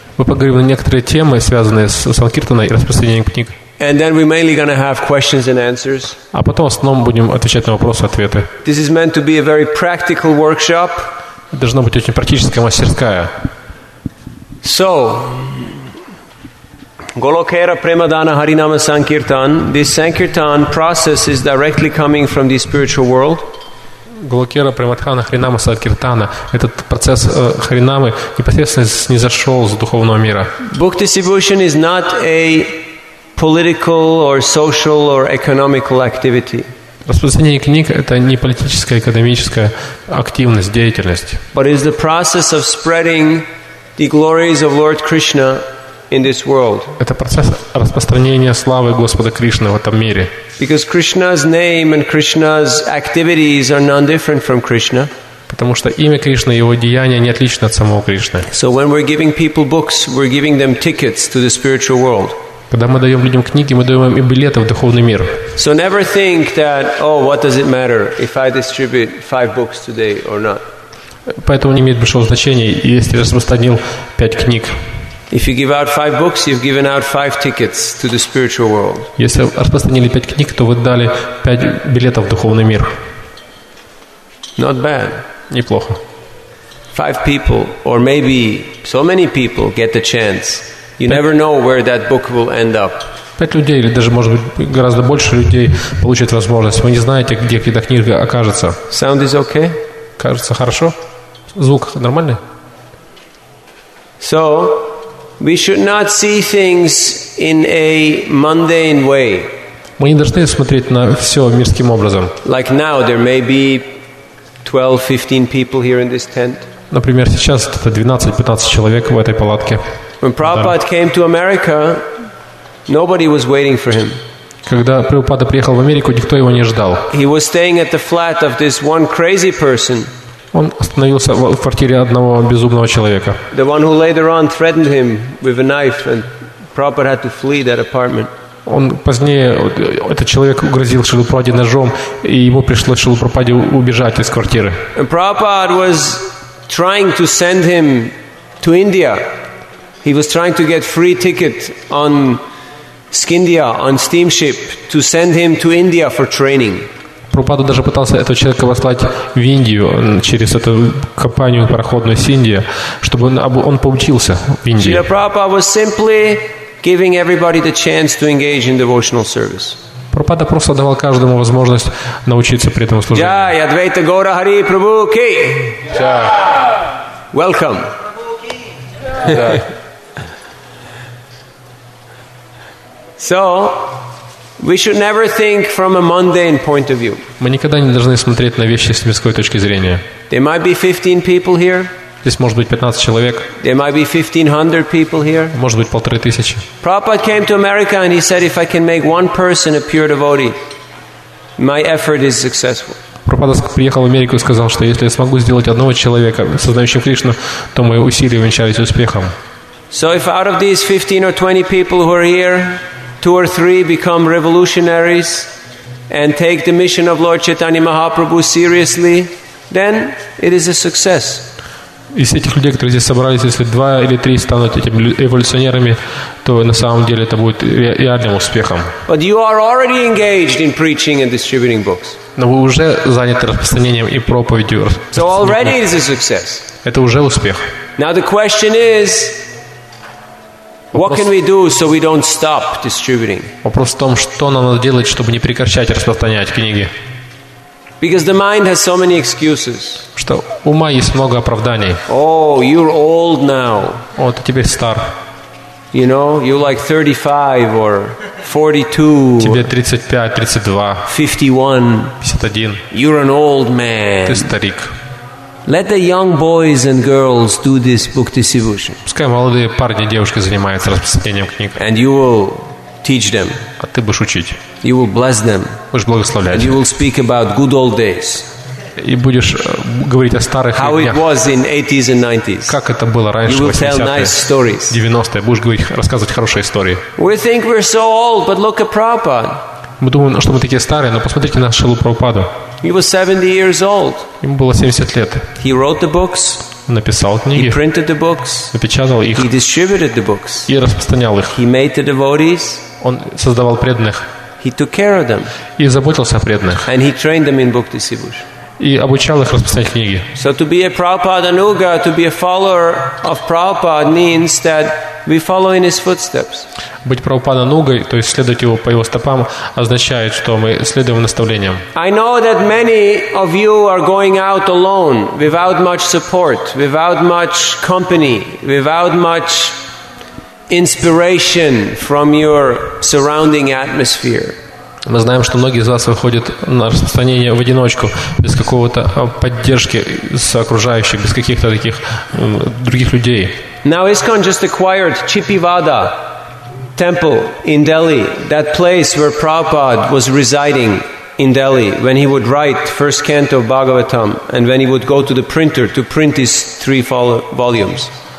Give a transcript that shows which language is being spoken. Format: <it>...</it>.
<ru>Мы поговорим на некоторые темы, связанные с Санкиртаной и распространением книг.</ru> <en>And then we're mainly going to have questions and answers.</en> <ru>А потом в основном будем отвечать на вопросы-ответы.</ru> <en>This is meant to be a very practical workshop.</en> <ru>Это должно быть очень практическая мастерская.</ru> <en>So, Golokera Premadana Harinama Sankirtan. This Sankirtan process is directly coming from the spiritual world.</en> <ru>Голокера Приматхана Харинама Садкиртана. Этот процесс Харинамы непосредственно снизошел с духовного мира.</ru> <en>Book distribution is not a political or social or economical activity.</en> <ru>Распространение книг – это не политическая, экономическая активность, деятельность.</ru> <en>But it is the process of spreading the glories of Lord Krishna in this world.</en> <ru>Это процесс распространения славы Господа Кришны в этом мире.</ru> <en>Because Krishna's name and Krishna's activities are none different from Krishna.</en> <ru>Потому что имя Кришны и его деяния не отличны от самого Кришны.</ru> <en>So when we're giving people books, we're giving them tickets to the spiritual world.</en> <ru>Когда мы даем людям книги, мы даем им и билеты в духовный мир.</ru> <en>So never think that, oh, what does it matter if I distribute 5 books today or not?</en> <ru>Поэтому не имеет большого значения, если я распространил 5 книг.</ru> <en>If you give out 5 books, you've given out 5 tickets to the spiritual world.</en> <ru>Если распространили 5 книг, то вы дали 5 билетов в духовный мир.</ru> <en>Not bad.</en> <ru>Неплохо.</ru> <en>5 people, or maybe so many people, get the chance. You never know where that book will end up.</en> <ru>5 людей, или даже, может быть, гораздо больше людей получат возможность. Вы не знаете, где эта книга окажется.</ru> <en>Sound is okay?</en> <ru>Кажется хорошо. Звук нормальный?</ru> <en>So... We should not see things in a mundane way.</en> <ru>Мы не должны смотреть на все мирским образом.</ru> <en>Like now, there may be 12-15 people here in this tent.</en> <ru>Например, сейчас это 12-15 человек в этой палатке.</ru> <en>When Prabhupada came to America, nobody was waiting for him.</en> <ru>Когда Прабхупада приехал в Америку, никто его не ждал.</ru> <en>He was staying at the flat of this one crazy person.</en> <ru>Он остановился в квартире одного безумного человека.</ru> <en>The one who later on threatened him with a knife, and Prabhupada had to flee that apartment.</en> <ru>Он позднее этот человек угрозил Шилупраде ножом, и ему пришлось Шилупраде убежать из квартиры.</ru> <en>And Prabhupada was trying to send him to India. He was trying to get free ticket on Skindia, on steamship, to send him to India for training.</en> <ru>Прабхупада даже пытался этого человека послать в Индию через эту компанию пароходную Синдия, чтобы он поучился в Индии.</ru> <en>Шрила Прабхупада was simply giving everybody the chance to engage in devotional service.</en> <ru>Прабхупада просто давал каждому возможность научиться при этом служению.</ru> <hi>Джай, Адвайта Гора Хари Прабху Ки! Джай!</hi> <en>Welcome! So... We should never think from a mundane point of view.</en> <ru>Мы никогда не должны смотреть на вещи с мирской точки зрения.</ru> <en>There might be 15 people here.</en> <ru>Здесь может быть 15 человек.</ru> <en>There might be 1500 people here.</en> <ru>Может быть 1500.</ru> <en>Prabhupada came to America and he said, if I can make one person a pure devotee, my effort is successful.</en> <ru>Прабхупада приехал в Америку и сказал, что если я смогу сделать одного человека сознающим Кришну, то мои усилия увенчались успехом.</ru> <en>So if out of these 15 or 20 people who are here, 2 or 3 become revolutionaries and take the mission of Lord Chaitanya Mahaprabhu seriously, then it is a success.</en> <ru>Из этих людей, которые здесь собрались, если 2 или 3 станут этими революционерами, то на самом деле это будет реальным успехом.</ru> <en>But you are already engaged in preaching and distributing books.</en> <ru>Но вы уже заняты распространением и проповедью.</ru> <en>So already it is a success.</en> <ru>Это уже успех.</ru> <en>Now the question is, what can we do so we don't stop distributing?</en> <ru>Вопрос в том, что нам надо делать, чтобы не прекращать распространять книги.</ru> <en>Because the mind has so many excuses.</en> <ru>Что ума есть много оправданий.</ru> <en>Oh, you're old now.</en> <ru>О, ты теперь стар.</ru> <en>You know, you're like 35 or 42.</en> <ru>Тебе 35, 32.</ru> <en>51. You're an old man.</en> <ru>Ты старик.</ru> <en>Let the young boys and girls do this book distribution.</en> <ru>Пускай молодые парни и девушки занимаются распространением книг.</ru> <en>And you will teach them.</en> <ru>А ты будешь учить.</ru> <en>You will bless them.</en> <ru>Будешь благословлять.</ru> <en>And you will speak about good old days.</en> <ru>И будешь говорить о старых днях.</ru> <en>How it was in 80s and 90s.</en> <ru>Как это было раньше, 80-е, 90-е.</ru> <en>Nice 90-е.</en> <ru>Будешь говорить, рассказывать хорошие истории.</ru> <en>We think we're so old, but look at Prabhupada.</en> <ru>Мы думаем, что мы такие старые, но посмотрите на Шрилу Прабхупаду.</ru> <en>He was 70 years old.</en> <ru>Ему было 70 лет.</ru> <en>He wrote the books.</en> <ru>Написал книги.</ru> <en>He printed the books.</en> <ru>Напечатал их.</ru> <en>He distributed the books.</en> <ru>И распространял их.</ru> <en>He made the devotees.</en> <ru>Он создавал преданных.</ru> <en>He took care of them.</en> <ru>И заботился о преданных.</ru> <en>And he trained them in Bhakti Sivush.</en> <ru>И обучал их распространять книги.</ru> <en>So to be a Prabhupada Anuga, to be a follower of Prabhupada means that we follow in his footsteps.</en> <ru>Быть Прабхупада Анугой, то есть следовать его по его стопам, означает, что мы следуем наставлениям.</ru> <en>I know that many of you are going out alone, without much support, without much company, without much inspiration from your surrounding atmosphere.</en> <ru>Мы знаем, что многие из вас выходят на распространение в одиночку, без какого-то поддержки с окружающих, без каких-то таких других людей.</ru> <en>Now ISKCON just acquired Chippivada temple in Delhi, that place where Prabhupada was residing in Delhi when he would write first canto of Bhagavatam and when he would go to the printer to print his three volumes.</en>